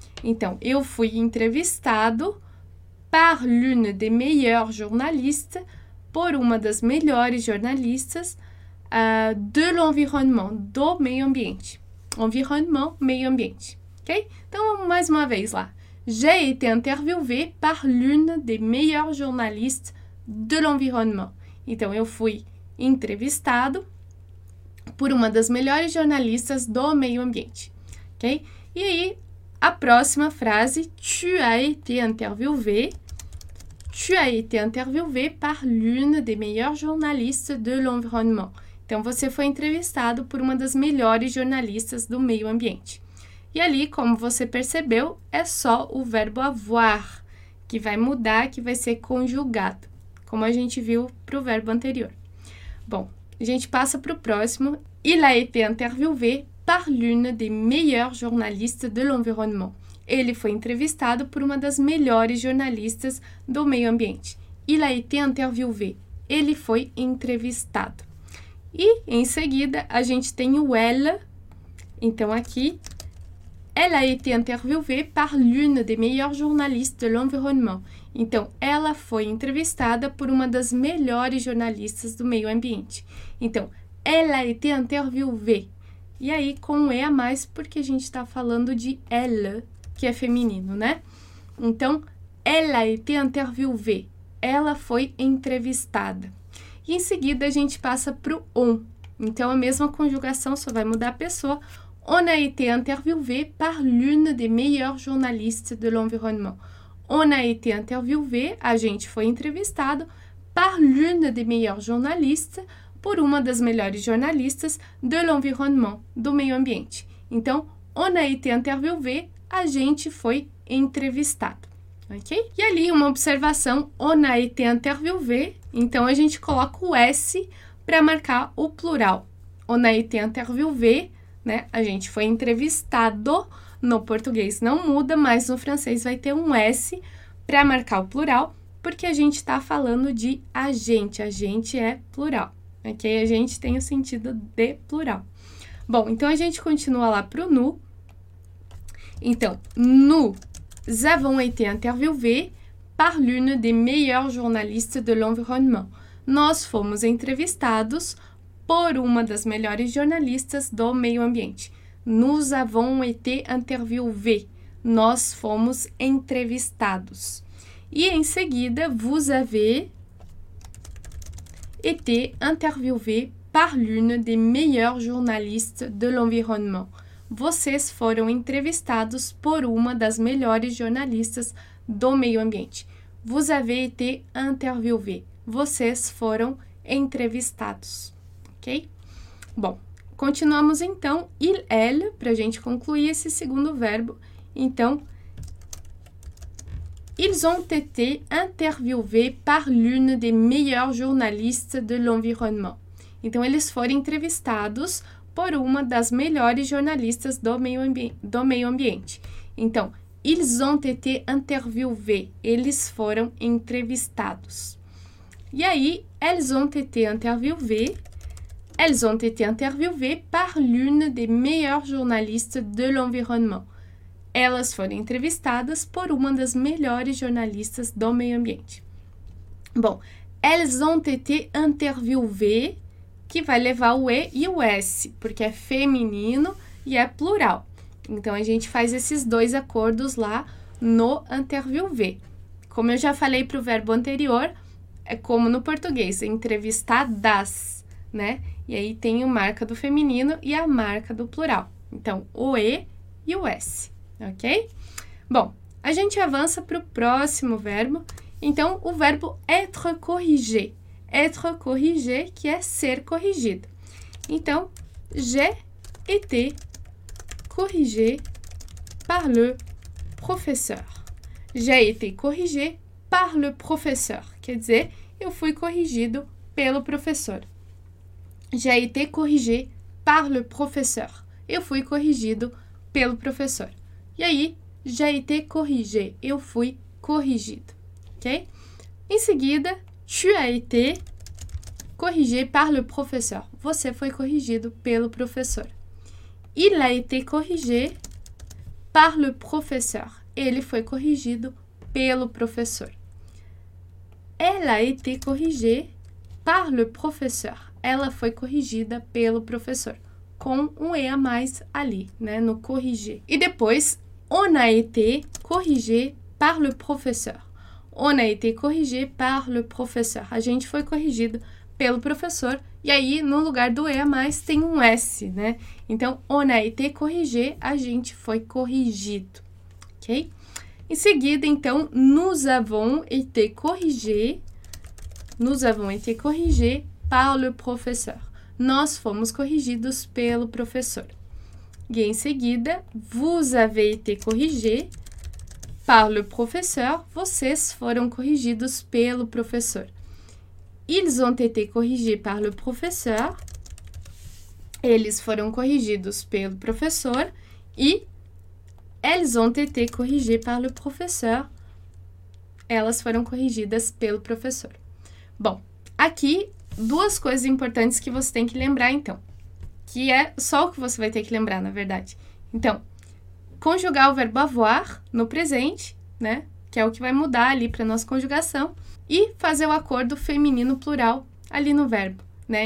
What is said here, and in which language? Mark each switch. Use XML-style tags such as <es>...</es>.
<pt>Então, eu fui entrevistado</pt> <fr>par l'une des meilleures journalistes,</fr> <pt>por uma das melhores jornalistas,</pt> <fr>de l'environnement,</fr> <pt>do meio ambiente. Environnement, meio ambiente. Ok? Então, mais uma vez lá.</pt> <fr>J'ai été interviewé par l'une des meilleures journalistes de l'environnement.</fr> <pt>Então, eu fui entrevistado por uma das melhores jornalistas do meio ambiente. Ok? E aí, a próxima frase,</pt> <fr>tu as été interviewé par l'une des meilleures journalistes de l'environnement.</fr> <pt>Então, você foi entrevistado por uma das melhores jornalistas do meio ambiente. E ali, como você percebeu, é só o verbo avoir que vai mudar, que vai ser conjugado, como a gente viu para o verbo anterior. Bom, a gente passa para o próximo.</pt> <fr>Il a été interviewé par l'une des meilleures journalistes de l'environnement.</fr> <pt>Ele foi entrevistado por uma das melhores jornalistas do meio ambiente.</pt> <fr>Il a été interviewé.</fr> <pt>Ele foi entrevistado. E, em seguida, a gente tem o elle. Então, aqui,</pt> <fr>elle a été interviewé par l'une des meilleures journalistes de l'environnement.</fr> <pt>Então, ela foi entrevistada por uma das melhores jornalistas do meio ambiente.</pt> <fr>Então, elle a été interviewé.</fr> <pt>E aí, com um E a mais, porque a gente está falando de elle, que é feminino, né?</pt> <fr>Então, elle a été interviewée.</fr> <pt>Ela foi entrevistada. E em seguida, a gente passa para o on. Então, a mesma conjugação, só vai mudar a pessoa.</pt> <fr>On a été interviewé par l'une des meilleures journalistes de l'environnement. On a été interviewé,</fr> <pt>a gente foi entrevistado,</pt> <fr>par l'une des meilleures journalistes,</fr> <pt>por uma das melhores jornalistas</pt> <fr>de l'environnement,</fr> <pt>do meio ambiente. Então,</pt> <fr>on a été interviewé,</fr> <pt>a gente foi entrevistado, ok? E ali, uma observação,</pt> <fr>on a été interviewé,</fr> <pt>então a gente coloca o S para marcar o plural.</pt> <fr>On a été interviewé,</fr> <pt>né? A gente foi entrevistado, no português não muda, mas no francês vai ter um S para marcar o plural, porque a gente está falando de a gente é plural. Ok? A gente tem o sentido de plural. Bom, então a gente continua lá para o nous.</pt> <fr>Então, nous avons été interviewés par l'une des meilleures journalistes de l'environnement.</fr> <pt>Nós fomos entrevistados por uma das melhores jornalistas do meio ambiente.</pt> <fr>Nous avons été interviewés.</fr> <pt>Nós fomos entrevistados. E em seguida,</pt> <fr>vous avez été interviewé par l'une des meilleures journalistes de l'environnement.</fr> <pt>Vocês foram entrevistados por uma das melhores jornalistas do meio ambiente.</pt> <fr>Vous avez été interviewé.</fr> <pt>Vocês foram entrevistados. Ok? Bom, continuamos então. Il, elle, para a gente concluir esse segundo verbo.</pt> <fr>Então, ils ont été interviewés par l'une des meilleures journalistes de l'environnement.</fr> <pt>Então, eles foram entrevistados por uma das melhores jornalistas do meio ambiente.</pt> <fr>Então, ils ont été interviewés.</fr> <pt>Eles foram entrevistados. E aí,</pt> <fr>elles ont été interviewées par l'une des meilleures journalistes de l'environnement.</fr> <pt>Elas foram entrevistadas por uma das melhores jornalistas do meio ambiente. Bom,</pt> <fr>elles ont été interviewées,</fr> <pt>que vai levar o E e o S, porque é feminino e é plural. Então, a gente faz esses dois acordos lá no interviewer. Como eu já falei para o verbo anterior, é como no português, entrevistadas, né? E aí tem o marca do feminino e a marca do plural. Então, o E e o S, ok? Bom, a gente avança para o próximo verbo. Então, o verbo être corrigé. Être corrigé, que é ser corrigido.</pt> <fr>Então, j'ai été corrigé par le professeur. J'ai été corrigé par le professeur.</fr> <pt>Quer dizer, eu fui corrigido pelo professor.</pt> <fr>J'ai été corrigé par le professeur.</fr> <pt>Eu fui corrigido pelo professor. E aí,</pt> <fr>j'ai été corrigé.</fr> <pt>Eu fui corrigido. Ok? Em seguida,</pt> <fr>tu as été corrigé par le professeur.</fr> <pt>Você foi corrigido pelo professor.</pt> <fr>Il a été corrigé par le professeur.</fr> <pt>Ele foi corrigido pelo professor.</pt> <fr>Elle a été corrigée par le professeur.</fr> <pt>Ela foi corrigida pelo professor. Com um E a mais ali, né, no corrigir. E depois,</pt> <fr>on a été corrigé par le professeur. On a été corrigé par le professeur.</fr> <pt>A gente foi corrigido pelo professor. E aí, no lugar do E a mais, tem um S, né? Então,</pt> <fr>on a été corrigé,</fr> <pt>a gente foi corrigido. Ok? Em seguida, então,</pt> <fr>nous avons été corrigé par le professeur.</fr> <pt>Nós fomos corrigidos pelo professor. E em seguida,</pt> <fr>vous avez été corrigé par le professeur,</fr> <pt>vocês foram corrigidos pelo professor.</pt> <fr>Ils ont été corrigés par le professeur,</fr> <pt>eles foram corrigidos pelo professor,</pt> <fr>e elles ont été corrigées par le professeur,</fr> <pt>elas foram corrigidas pelo professor. Bom, aqui, duas coisas importantes que você tem que lembrar, então, que é só o que você vai ter que lembrar, na verdade. Então, conjugar o verbo avoir no presente, né? Que é o que vai mudar ali para a nossa conjugação. E fazer o acordo feminino plural ali no verbo, né?</pt>